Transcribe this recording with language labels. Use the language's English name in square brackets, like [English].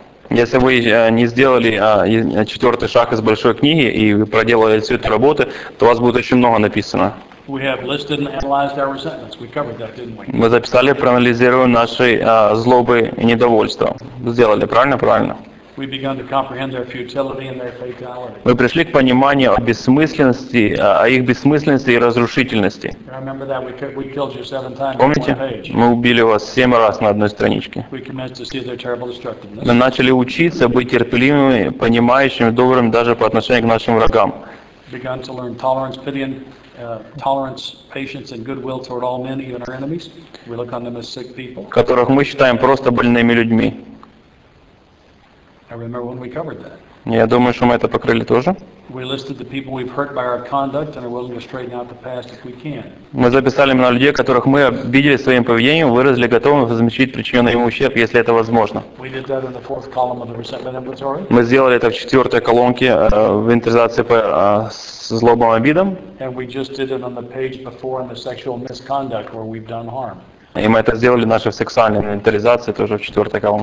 [Russian] Если вы не сделали четвертый шаг из большой книги и вы проделали всю эту работу, то у вас будет очень много написано. [English] We have listed and analyzed our resentments. We covered that, didn't we? [Russian] Мы записали, проанализировали наши злобы и недовольства. Сделали, правильно? Правильно. [English] We began to comprehend their futility and their fatality. [Russian] Мы пришли к пониманию о бессмысленности, о их бессмысленности и разрушительности. [English] Remember that we killed you 7 times. [Russian] Помните? Мы убили вас 7 раз на одной страничке. [English] We commenced to see their terrible destructiveness. [Russian] Мы начали учиться быть терпеливыми, понимающими, добрыми даже по отношению к нашим врагам. [English] Began to learn tolerance, pity, and tolerance, patience, and goodwill toward all men, even our enemies. We look on them as sick people. [Russian] Которых мы считаем просто больными людьми. [English] I remember when we covered that. [Russian] Я думаю, что мы это покрыли тоже. [English] We listed the people we've hurt by our conduct and are willing to straighten out the past if we can. [Russian] Мы записали имена людей, которых мы обидели своим поведением, выразили готовность возместить причиненный им ущерб, если это возможно. [English] We did that in the fourth column of the resentment inventory. [Russian] Мы сделали это в четвертой колонке инвентаризации по злобам и обидам. [English] And we just did it on the page before in the sexual misconduct where we've done harm. [Russian] И мы это сделали в нашей сексуальной инвентаризации, тоже в четвертой